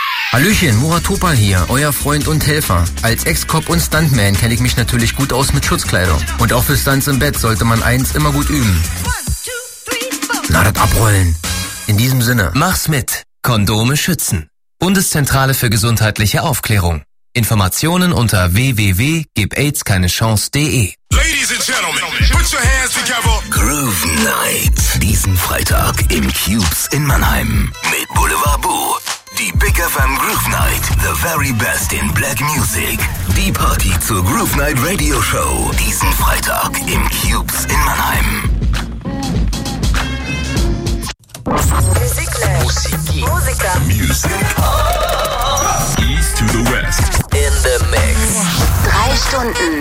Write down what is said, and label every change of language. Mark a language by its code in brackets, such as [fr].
[de] Hallöchen, Murat Topal hier, euer Freund und Helfer. Als Ex-Cop und Stuntman kenne ich mich natürlich gut aus mit Schutzkleidung. Und auch für Stunts im Bett sollte man eins immer gut üben. 1, 2, 3, 4. Na, das abrollen. In diesem Sinne. Mach's mit. Kondome schützen. Bundeszentrale für gesundheitliche Aufklärung. Informationen unter www.gibaidskeinechance.de. [en] Ladies and gentlemen, put your hands together. Groove Night. [de] Diesen Freitag im Cubes in Mannheim. Mit Boulevard Boo. Die Big FM Groove Night. [en] The very best in black music. [de] Die Party zur Groove Night Radio Show. Diesen Freitag im Cubes in Mannheim. Musik. [en] East to the West. In the mix. [de] 3 Stunden.